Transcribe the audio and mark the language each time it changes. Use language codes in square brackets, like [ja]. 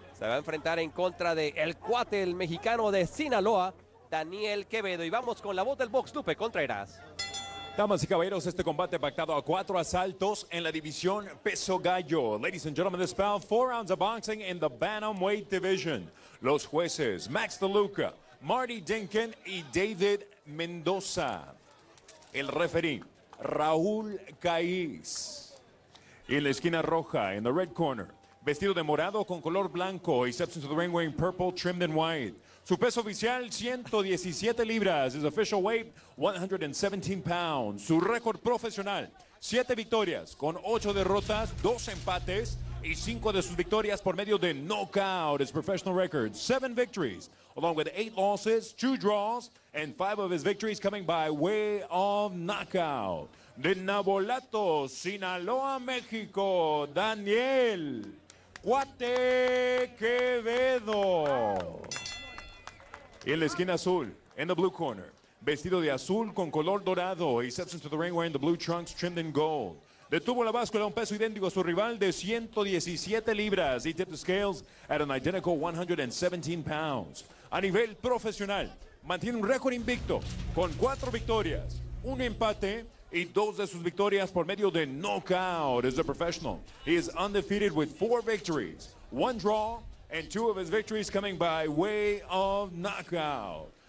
[es] Se va a enfrentar en contra de el cuate, el mexicano de Sinaloa, Daniel Quevedo. Y vamos con la voz del box, Lupe Contreras. Damas y caballeros, este combate pactado a 4 asaltos en la división peso gallo. [en] Ladies and gentlemen, this bout, 4 rounds of boxing in the bantamweight division. [es] Los jueces, Max DeLuca, Marty Dinkin y David Mendoza. El referee, Raúl Caiz. Y en la esquina roja, en [en] the red corner, [es] vestido de morado con color blanco, [en] except to the ring wearing purple, trimmed in white. [es] Su peso oficial, 117 libras. [en] His official weight, 117 pounds. [es] Su récord profesional, 7 victorias con 8 derrotas, 2 empates y 5 de sus victorias por medio de knockout. [en] His professional record, 7 victories, along with 8 losses, 2 draws, and 5 of his victories coming by way of knockout. [es] De Navolato, Sinaloa, México, Daniel Cuate Quevedo. Y en la esquina azul, en [en] the blue corner, [es] vestido de azul con color dorado, [en] he steps into the ring wearing the blue trunks trimmed in gold. [es] Detuvo la báscula a un peso idéntico a su rival de 117 libras. [en] He tipped the scales at an identical 117 pounds. [es] A nivel profesional, mantiene un récord invicto con 4 victorias, 1 empate y 2 de sus victorias por medio de knockout. [en] As a professional, he is undefeated with 4 victories, 1 draw, and 2 of his victories coming by way of knockout.